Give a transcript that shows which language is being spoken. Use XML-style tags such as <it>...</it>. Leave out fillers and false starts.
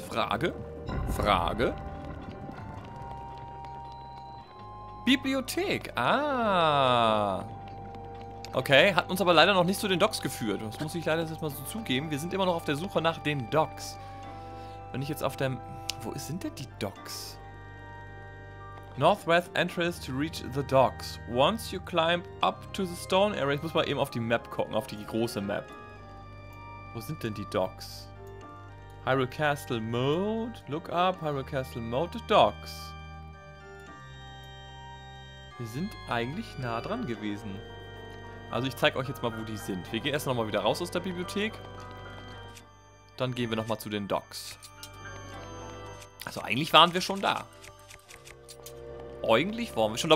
<de>Frage? Frage? Bibliothek. Ah. Okay, hat uns aber leider noch nicht zu den Docks geführt. Das muss ich leider jetzt mal so zugeben. Wir sind immer noch auf der Suche nach den Docks. Wenn ich jetzt auf dem... Wo sind denn die Docks?</de> <en>Northwest entrance to reach the docks. Once you climb up to the stone area...</en> <de>Ich muss mal eben auf die Map gucken, auf die große Map. Wo sind denn die Docks? Hyrule Castle Mode.</de> <en>Look up, Hyrule Castle Mode, the Docks.</en> <de>Wir sind eigentlich nah dran gewesen. Also ich zeige euch jetzt mal, wo die sind. Wir gehen erst nochmal wieder raus aus der Bibliothek. Dann gehen wir nochmal zu den Docks. Also eigentlich waren wir schon da. Eigentlich waren wir schon da.</de>